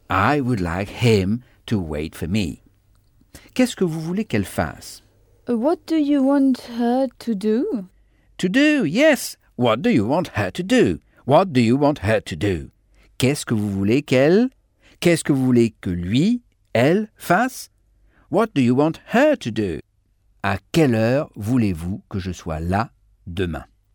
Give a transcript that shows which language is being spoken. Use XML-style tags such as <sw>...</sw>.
<en>I would like him to wait for me.</en> <fr>Qu'est-ce que vous voulez qu'elle fasse?</fr> <en>What do you want her to do? To do, yes. What do you want her to do? What do you want her to do?</en> <fr>Qu'est-ce que vous voulez qu'elle? Qu'est-ce que vous voulez que lui, elle, fasse?</fr> <en>What do you want her to do?</en> <fr>À quelle heure voulez-vous que je sois là demain?</fr>